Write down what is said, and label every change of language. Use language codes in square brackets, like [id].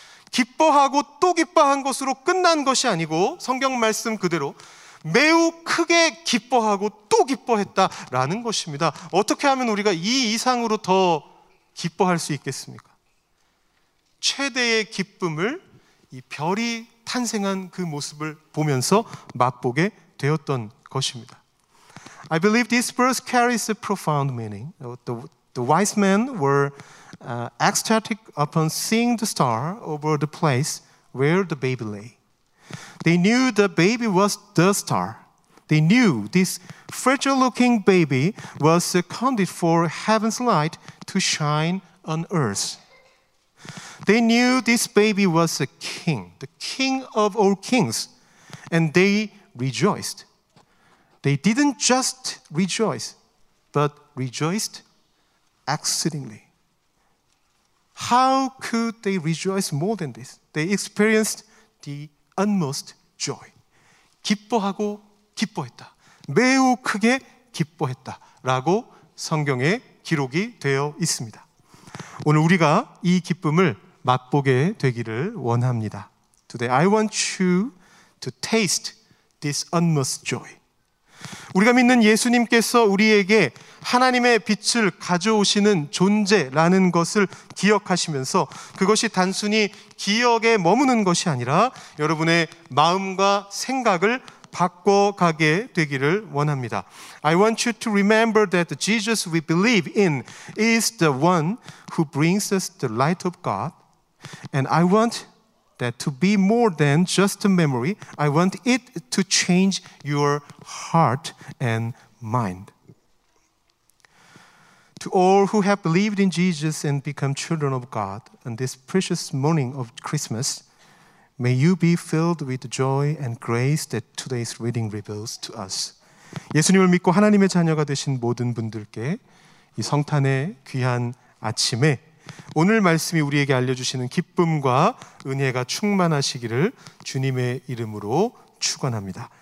[ko] 기뻐하고 또 기뻐한 것으로 끝난 것이 아니고 성경 말씀 그대로 매우 크게 기뻐하고 또 기뻐했다라는 것입니다. 어떻게 하면 우리가 이 이상으로 더 기뻐할 수 있겠습니까? 최대의 기쁨을 이 별이 탄생한 그 모습을 보면서 맛보게 되었던 것입니다. [en] I believe this verse carries a profound meaning. The wise men were ecstatic upon seeing the star over the place where the baby lay. They knew the baby was the star. They knew this fragile-looking baby was seconded for heaven's light to shine on earth. They knew this baby was a king, the king of all kings, and they rejoiced. They didn't just rejoice, but rejoiced exceedingly. How could they rejoice more than this? They experienced the utmost joy. [ko] 기뻐하고 기뻐했다. 매우 크게 기뻐했다. 라고 성경에 기록이 되어 있습니다. 오늘 우리가 이 기쁨을 맛보게 되기를 원합니다. [en] Today I want you to taste this utmost joy. [ko] 우리가 믿는 예수님께서 우리에게 하나님의 빛을 가져오시는 존재라는 것을 기억하시면서 그것이 단순히 기억에 머무는 것이 아니라 여러분의 마음과 생각을 바꿔가게 되기를 원합니다. [en] I want you to remember that the Jesus we believe in is the one who brings us the light of God. And I want that to be more than just a memory. I want it to change your heart and mind. To all who have believed in Jesus and become children of God on this precious morning of Christmas, may you be filled with joy and grace that today's reading reveals to us. [ko] 예수님을 믿고 하나님의 자녀가 되신 모든 분들께 이 성탄의 귀한 아침에 오늘 말씀이 우리에게 알려주시는 기쁨과 은혜가 충만하시기를 주님의 이름으로 축원합니다.